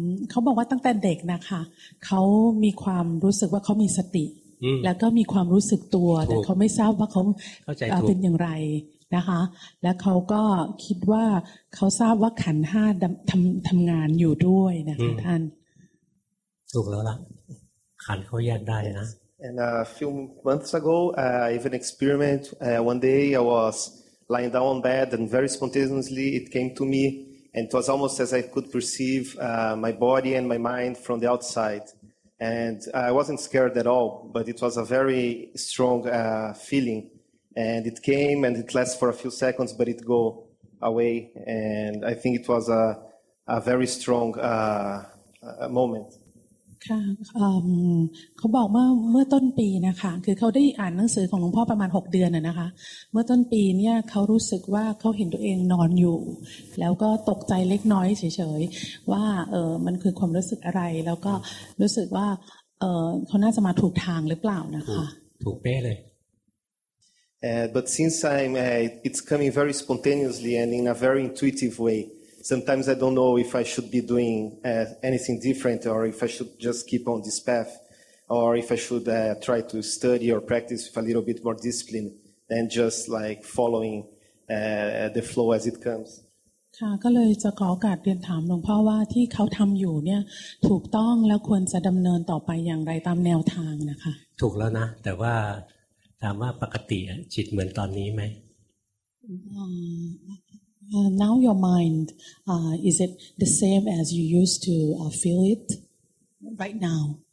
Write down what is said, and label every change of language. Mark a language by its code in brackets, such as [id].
[th] เขาบอกว่าตั้งแต่เด็กนะคะเขามีความรู้สึกว่าเขามีสติแล้วก็มีความรู้สึกตัวแต่เขาไม่ทราบว่าเขาเป็นอย่างไรนะคะและเขาก็คิดว่าเขาทราบว่าขันธ์ห้าทำงานอยู่ด้วยนะคะท่าน ถูกแล้วล่ะขันธ์เขาแยกได้นะ [en] and a few months ago even experiment one day I was lying down on bed and very spontaneously it came to meAnd it was almost as I could perceive my body and my mind from the outside. And I wasn't scared at all, but it was a very strong feeling. And it came and it lasts for a few seconds, but it go away. And I think it was a very strong moment. [th] ค่ะเขาบอกว่าเมื่อต้นปีนะคะคือเขาได้อ่านหนังสือของหลวงพ่อประมาณ6เดือนนะคะเมื่อต้นปีเนี่ยเขารู้สึกว่าเขาเห็นตัวเองนอนอยู่แล้วก็ตกใจเล็กน้อยเฉยๆว่ามันคือความรู้สึกอะไรแล้วก็รู้สึกว่าเขาน่าจะมาถูกทางหรือเปล่านะคะ ถูกเป๊ะเลย [en] but since I'm it's coming very spontaneously and in a very intuitive waySometimes I don't know if I should be doing anything different or if I should just keep on this path or if I should try to study or practice with a little bit more discipline than just like following the flow as it comes. [th] ค่ะก็เลยจะขอโอกาสเรียนถามหลวงพ่อว่าที่เขาทำอยู่เนี่ยถูกต้องแล้วควรจะดำเนินต่อไปอย่างไรตามแนวทางนะคะ ถูกแล้วนะแต่ว่าถามว่าปกติจิตเหมือนตอนนี้ไห [en] มNow your mind, is it the same as you used to feel it right now?